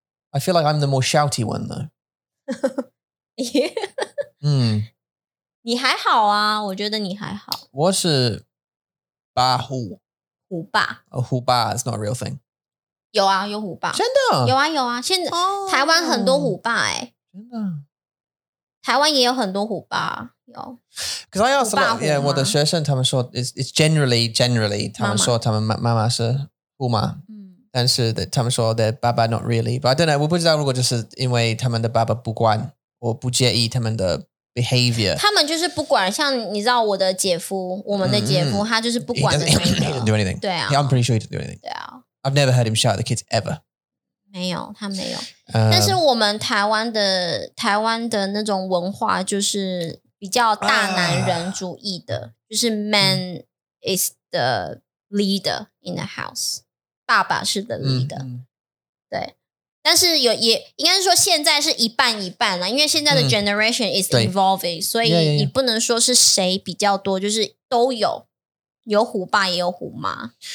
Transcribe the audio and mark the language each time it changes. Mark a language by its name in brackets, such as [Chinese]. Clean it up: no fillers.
[English] I feel like I'm the more shouty one, though. yeah. 嗯。 [Chinese] 你还好啊，我觉得你还好。我是八虎。虎爸。 [English] Oh, 虎爸 it's not a real thing. [Chinese] 有啊，有虎爸。真的？有啊，有啊。现在、 oh, 台湾很多虎爸哎、欸。真的。台湾也有很多虎爸。 [English] Because I asked a lot, yeah, [Chinese] 我的学生他们说 [English] it's generally, [Chinese] 他们说他们妈妈是虎妈，但是他们说 [English] their [Chinese] 爸爸 [English] not really, but I don't know, [Chinese] 我不知道如果就是因为他们的爸爸不管或不介意他们的 [English] behavior. [Chinese] 他们就是不管，像你知道我的姐夫，我们的姐夫，他就是不管的那个。 [English] He doesn't do anything. [Chinese] 对啊。 [English] I'm pretty sure he doesn't do anything. [Chinese] 对啊。 [English] I've never heard him shout at the kids ever. [Chinese] 没有，他没有。但是我们台湾的那种文化就是比较大男人主义的、就是 [English] man、is the leader in the house [Chinese] 爸爸是 [English] the leader、 [Chinese] 对但是有也应该是说现在是一半一半啦因为现在的 [English] generation、is evolving [Chinese] 所以你不能说是谁比较多就是都有有虎爸也有虎妈